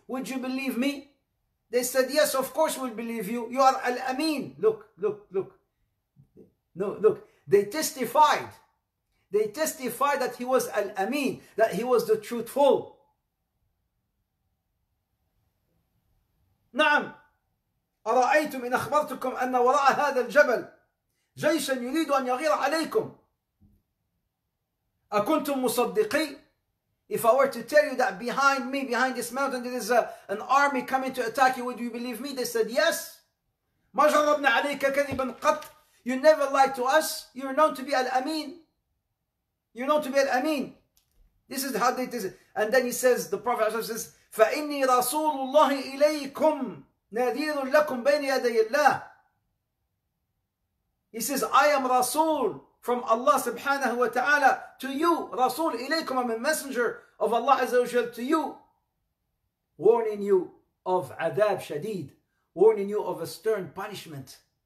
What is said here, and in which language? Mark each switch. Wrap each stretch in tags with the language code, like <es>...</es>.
<en>Would you believe me? They said, yes, of course we'll believe you. You are al-Amin. Look, look, look. No, look. They testified. They testified that he was al-Amin, that he was the truthful.</en> <ar>نعم. أرأيتم إن أخبرتكم أن وراء هذا الجبل جيشا يريد أن يغير عليكم. أكنتم مصدقي?</ar> <en>If I were to tell you that behind me, behind this mountain, there is an army coming to attack you, would you believe me? They said, yes.</en> <ar>ما جربنا عليك كذبا قط.</ar> <en>You never lied to us. You're known to be al-Amin. You're known to be al-Amin. This is how it is. And then he says, the Prophet says,</en> <ar>فَإِنِّي رَسُولُ اللَّهِ إِلَيْكُمْ نَذِيرٌ لَكُمْ بَيْنِ يَدَيِ اللَّهِ.</ar> <en>He says, I am Rasul from Allah subhanahu wa ta'ala to you. Rasul</en> <ar>إليكم,</ar> <en>I'm a messenger of Allah Azza wa Jal to you. Warning you of</en> <ar>عذاب شديد.</ar> <en>Warning you of a stern punishment.</en>